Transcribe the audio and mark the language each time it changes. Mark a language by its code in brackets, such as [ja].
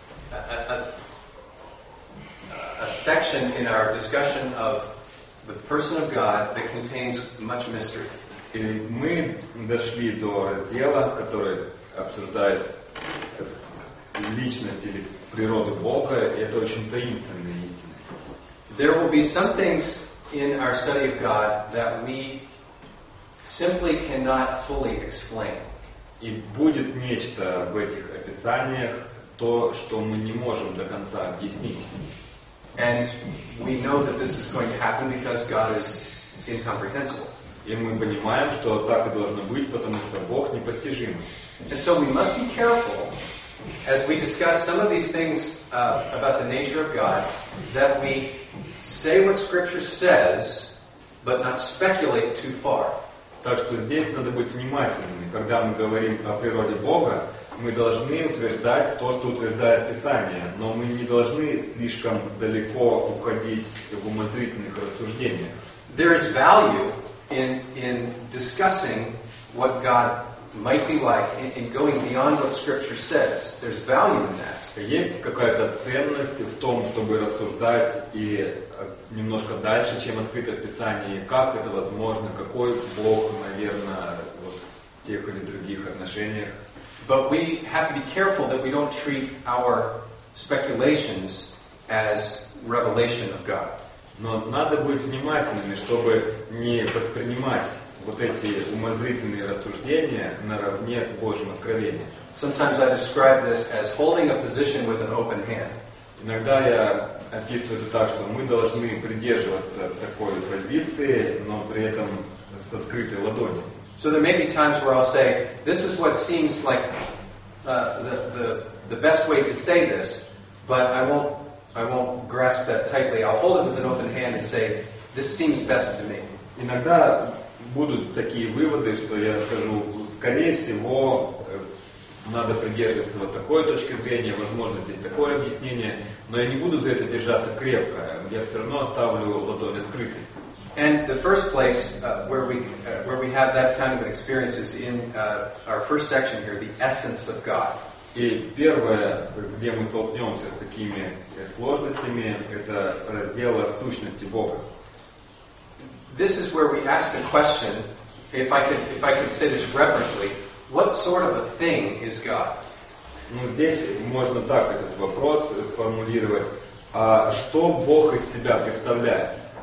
[en] We have reached a section in our discussion of the person of God that contains much mystery. [ru] И мы дошли до раздела, который обсуждает личность или природу Бога, и это очень таинственная истина. [en] There will be some things in our study of God that we simply cannot fully explain. [ru] И будет нечто в этих описаниях, то, что мы не можем до конца объяснить. [en] And we know that this is going to happen because God is incomprehensible. [ru] И мы понимаем, что так и должно быть, потому что Бог непостижимый. [en] And so we must be careful as we discuss some of these things about the nature of God, that we say what Scripture says, but not speculate too far. [ru] Так что здесь надо быть внимательными. Когда мы говорим о природе Бога, мы должны утверждать то, что утверждает Писание, но мы не должны слишком далеко уходить в умозрительных рассуждениях. [en] There is value in discussing what God might be like, in going beyond what Scripture says. There's value in that. [ru] Есть какая-то ценность в том, чтобы рассуждать и немножко дальше, чем открыто в Писании, как это возможно, какой Бог, наверное, вот в тех или других отношениях. [en] But we have to be careful that we don't treat our speculations as revelation of God. [ru] Но надо быть внимательными, чтобы не воспринимать вот эти умозрительные рассуждения наравне с Божьим откровением. [en] Sometimes I describe this as holding a position with an open hand. [ru] Иногда я описываю это так, что мы должны придерживаться такой позиции, но при этом с открытой ладонью. [en] So there may be times where I'll say, this is what seems like the best way to say this, but I won't grasp that tightly. I'll hold it with an open hand and say, This seems best to me. [ru] Иногда будут такие выводы, что я скажу, скорее всего, надо придерживаться вот такой точки зрения, возможно, здесь такое объяснение, но я не буду за это держаться крепко, я все равно оставлю ладонь открытой. [en] And the first place where we have that kind of an experience is in our first section here, the essence of God. [ru] И первое, где мы столкнемся с такими сложностями, это раздел о сущности Бога. [en] This is where we ask the question, if I could say this reverently, what sort of a thing is God? [ru] Ну, здесь можно так этот вопрос сформулировать. А что Бог из себя представляет?